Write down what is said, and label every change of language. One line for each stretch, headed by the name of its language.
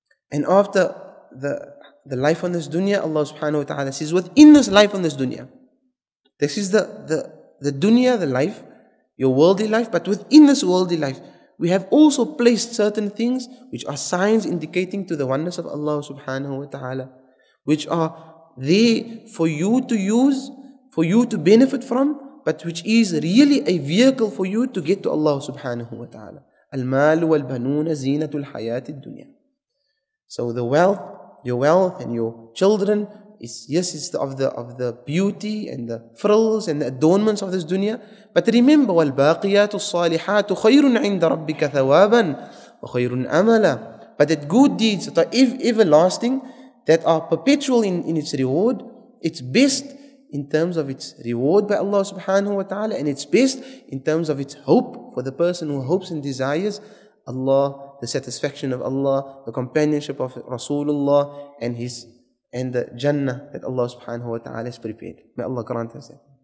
English: And after the life on this dunya, Allah subhanahu wa ta'ala says, within this life on this dunya, this is the dunya, the life, your worldly life, but within this worldly life, we have also placed certain things which are signs indicating to the oneness of Allah subhanahu wa ta'ala, which are there for you to use, for you to benefit from, but which is really a vehicle for you to get to Allah subhanahu wa ta'ala.
Arabic: Al-mal wal-banuna zinatul hayati dunya.
English: So the wealth, your wealth and your children, it's the beauty and the frills and the adornments of this dunya. But remember,
Arabic: وَالْبَاقِيَاتُ الصَّالِحَاتُ خَيْرٌ عِنْدَ رَبِّكَ ثَوَابًا وَخَيْرٌ أَمَلًا.
English: But that good deeds that are everlasting, that are perpetual in its reward, it's best in terms of its reward by Allah subhanahu wa ta'ala, and it's best in terms of its hope for the person who hopes and desires Allah, the satisfaction of Allah, the companionship of Rasulullah, and the Jannah that Allah subhanahu wa ta'ala has prepared. May Allah grant us that.